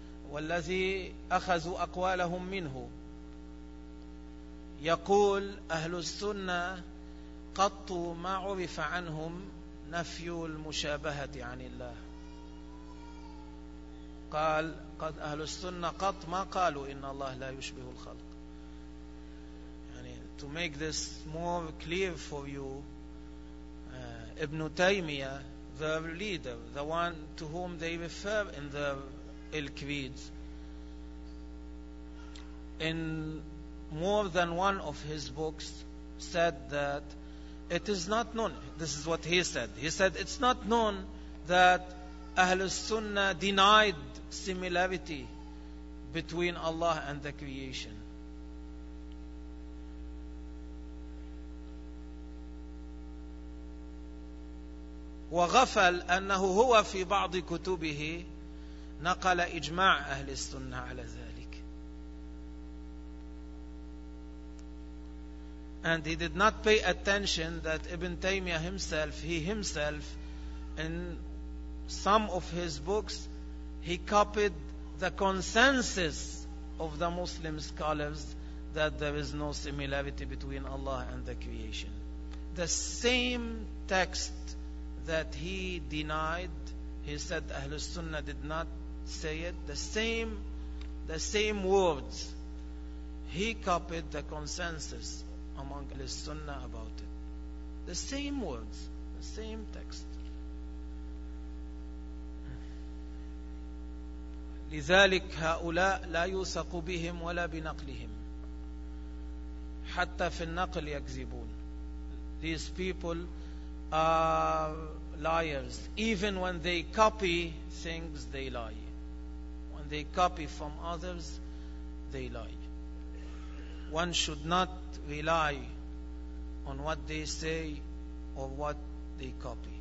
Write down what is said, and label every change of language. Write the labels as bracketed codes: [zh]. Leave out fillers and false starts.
[ar] والذي أخذوا أقوالهم منه يقول أهل السنة قط ما عرف عنهم نفي المشابهة عن الله. قال قد أهل السنة قط ما قالوا إن الله لا يشبه الخلق. [en] يعني to make this more clear for you, Ibn Taymiyyah, their leader, the one to whom they refer in their ilqweeds, in more than one of his books said that it is not known. This is what he said. He said it's not known that Ahl al-Sunnah denied similarity between Allah and the creation. [ar] وغفل أنه هو في بعض كتبه نقل إجماع أهل السنة على ذلك. [en] And he did not pay attention that Ibn Taymiyyah himself in some of his books he copied the consensus of the Muslim scholars that there is no similarity between Allah and the creation. The same text that he denied, he said Ahlus Sunnah did not say it, the same words, he copied the consensus among Ahlus Sunnah about it. The same words, the same text. [ar] لذلك هؤلاء لا يوثق بهم ولا بنقلهم حتى في النقل يكذبون. [en] These people are liars. Even when they copy things, they lie. When they copy from others, they lie. One should not rely on what they say or what they copy.